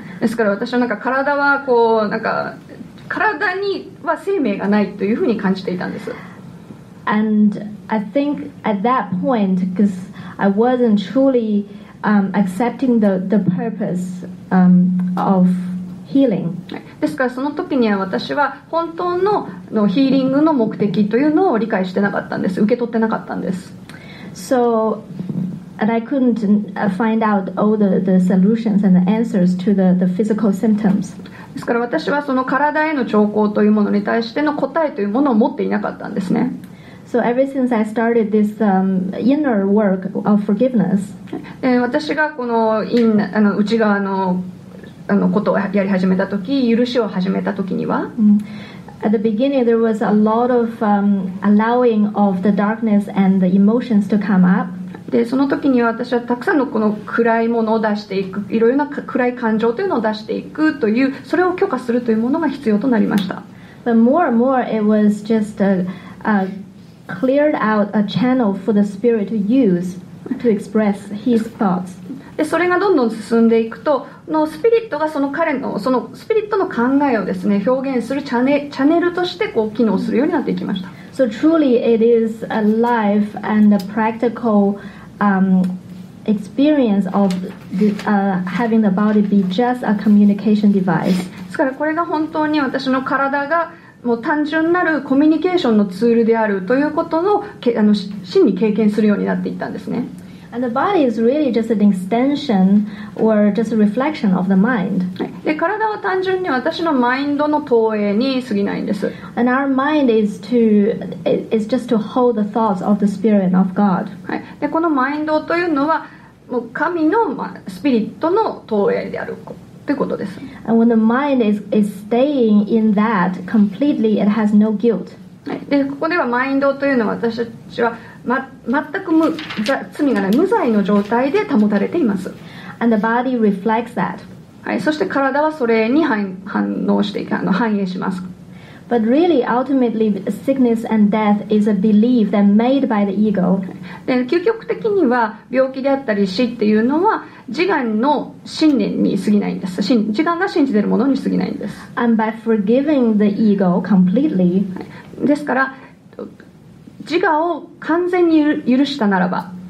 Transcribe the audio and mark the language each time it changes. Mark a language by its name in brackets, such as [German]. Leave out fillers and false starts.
[Japanese] ですから私はなんか体はこうなんか体には生命がないというふうに感じていたんです。 [English] And I think at that point, because I wasn't truly accepting the purpose of healing. [Japanese] ですからその時には私は本当のヒーリングの目的というのを理解してなかったんです。受け取ってなかったんです。 [English] So,And I couldn't find out all the solutions and the answers to the physical symptoms. [Japanese] ですから私はその体への兆候というものに対しての答えというものを持っていなかったんですね。 [English] So ever since I started this inner work of forgiveness, [Japanese] 私がこの内側のことをやり始めたとき、許しを始めたときには、 [English] At the beginning, there was a lot of allowing of the darkness and the emotions to come up. [Japanese] でその時には私はたくさんのこの暗いものを出していくいろいろな暗い感情というのを出していくというそれを許可するというものが必要となりました [English] But more and more it was just a cleared out a channel for the spirit to use to express his thoughts [Japanese] でそれがどんどん進んでいくとのスピリットがその彼のそのスピリットの考えをですね表現するチャネルとしてこう機能するようになっていきました [English] So truly it is a life and a practical experience of having the body be just a communication device. [Japanese] ですからこれが本当に私の体がもう単純なるコミュニケーションのツールであるということを真に経験するようになっていったんですね。 [English] And the body is really just an extension or just a reflection of the mind. [Japanese] で、体は単純に私のマインドの投影に過ぎないんです。 [English] And our mind is just to hold the thoughts of the spirit of God. [Japanese] で、このマインドというのはもう神のスピリットの投影であるということです。 [English] And when the mind is staying in that completely, it has no guilt. [Japanese] で、ここではマインドというのは私たちはま、全く無罪がない無罪の状態で保たれています [English] And the body reflects that.、 [Japanese] はい、そして体はそれに反応していく反映します [English] But really, ultimately, sickness and death is a belief that made by the ego. [Japanese] で究極的には病気であったり死っていうのは自我の信念に過ぎないんです自我が信じているものに過ぎないんです [English] And by forgiving the ego completely、はい、 [Japanese] ですから自我を完全に許したならば